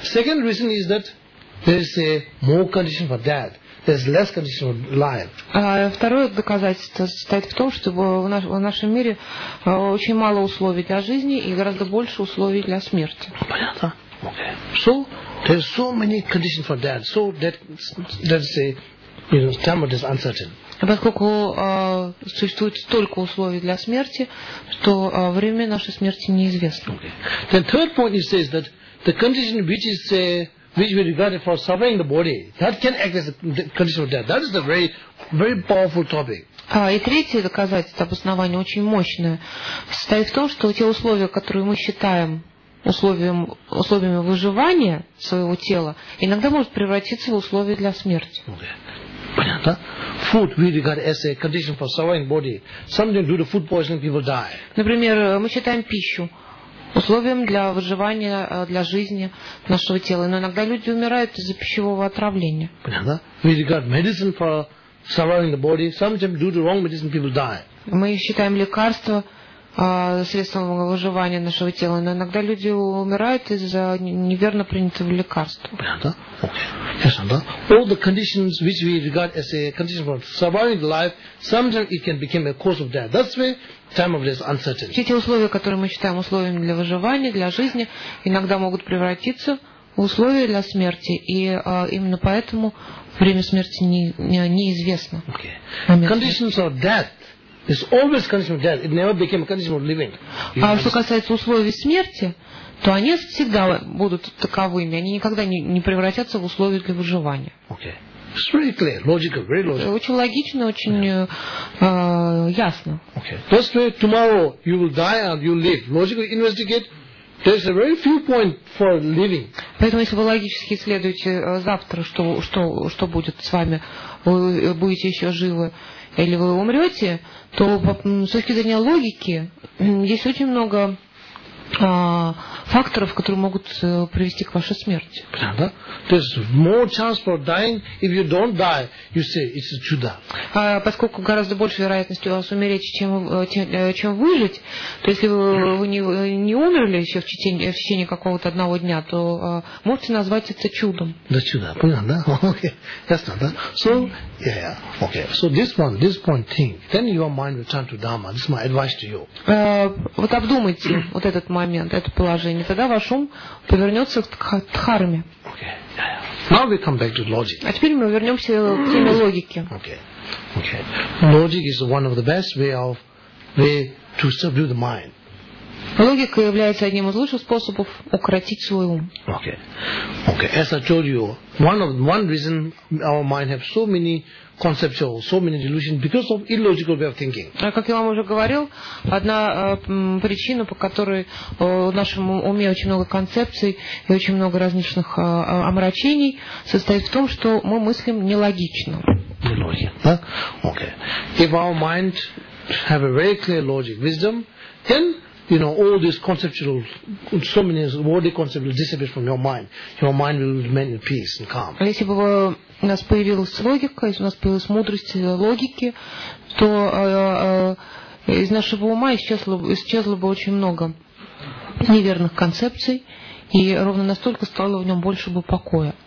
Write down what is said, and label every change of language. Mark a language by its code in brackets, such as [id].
[en] Second reason is that there is a more condition for death. There's less condition for life. [ru] Второе доказательство состоит в том, что в нашем мире очень мало условий для жизни и гораздо больше условий для смерти. Понятно? [en] Okay. So there's so many conditions for death. So that's the, you know, time is uncertain. [ru] Поскольку существует столько условий для смерти, что время нашей смерти неизвестно. [en] Okay. Then third point is says that the condition which is which we regard for suffering the body, that can act as a condition of death. That is a very, very powerful topic. [ru] И третье доказательство, обоснование очень мощное, состоит в том, что те условия, которые мы считаем условиями выживания своего тела, иногда может превратиться в условия для смерти. [en] Okay. [ru] Понятно? [en] Food we regard as a condition for suffering body. Something due to food poisoning, people die. [ru] Например, мы считаем пищу условием для выживания, для жизни нашего тела. Но иногда люди умирают из-за пищевого отравления. Понятно? [en] We regard medicine for surviving the body. Sometimes due to wrong medicine, people die. [ru] Мы считаем лекарство средством выживания нашего тела. Но иногда люди умирают из-за неверно принятого лекарства. Понятно? [en] Okay. Yes, [ru] да? [en] All the conditions which we regard as a condition for surviving life, sometimes it can become a cause of death. That's why time of this uncertainty. [ru] Все те условия, которые мы считаем условиями для выживания, для жизни, иногда могут превратиться в условия для смерти. И именно поэтому время смерти неизвестно. [en] Okay. Conditions of death. It's always condition of death. It never became a condition of living. [ru] А что касается условий смерти, то они всегда будут таковыми. Они никогда не превратятся в условия для выживания. [en] Okay. It's very clear, logical, very logical. [ru] Это очень логично, очень ясно. [en] Okay. That's why tomorrow you will die and you live. Logically investigate. There's a very few point for living. [ru] Поэтому, если вы логически исследуете завтра, что будет с вами, вы будете еще живы или вы умрете, то с точки зрения логики есть очень много факторов, которые могут привести к вашей смерти. Правда? [en] There's more chance for dying if you don't die. You say it's a чудо. [ru] Поскольку гораздо больше вероятности у вас умереть, чем выжить, то если вы не умерли еще в течение какого-то одного дня, то можете назвать это чудом. Да чудо, понятно, да? Okay, ясно, да? [en] So, yeah, okay. So this point thing. Then your mind will turn to Dharma. This is my advice to you. [ru] Вот обдумайте вот этот момент, это положение, тогда ваш ум повернется к дхарме. [en] Okay. Now we come back to logic. [ru] А теперь мы вернемся к теме логики. [en] Okay. Okay. Logic is one of the best way to subdue the mind. [ru] Логика является одним из лучших способов укротить свой ум. [en] Okay. Okay. As I told you, one reason our mind have so many conceptual, so many delusions because of illogical way of thinking. [ru] Как я вам уже говорил, одна причина, по которой в нашем уме очень много концепций и очень много различных омрачений, состоит в том, что мы мыслим нелогично. Нелогично, да? Okay. [en] If our mind have a very clear logic, wisdom, then you know, all these conceptual, so many worldly concepts will disappear from your mind. Your mind will remain in peace and calm. [ru] Если бы у нас появилась логика, если у нас появилась мудрость логики, то из нашего ума исчезло бы очень много неверных концепций, и ровно настолько стало в нем больше бы покоя.